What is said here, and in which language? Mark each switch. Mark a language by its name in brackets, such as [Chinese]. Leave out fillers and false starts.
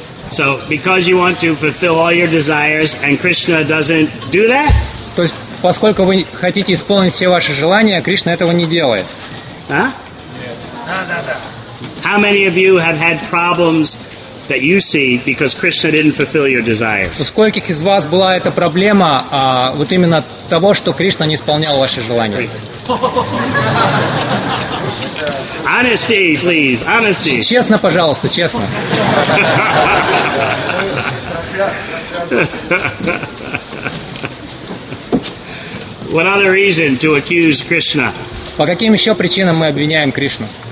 [English] So because you want to fulfill all your desires and Krishna doesn't do that? [Russian] То есть поскольку вы хотите исполнить все ваши желания, Кришна этого не делает. А? [English] How many of you have had problems that you see because Krishna didn't fulfill your desires? [Russian] У скольких из вас была эта проблема, вот именно того, что Кришна не исполнял ваши желания? [English] Honesty, please, honesty. [Russian] Честно, пожалуйста, честно. [English] What other reason to accuse Krishna? [Russian] По каким еще причинам мы обвиняем Кришну?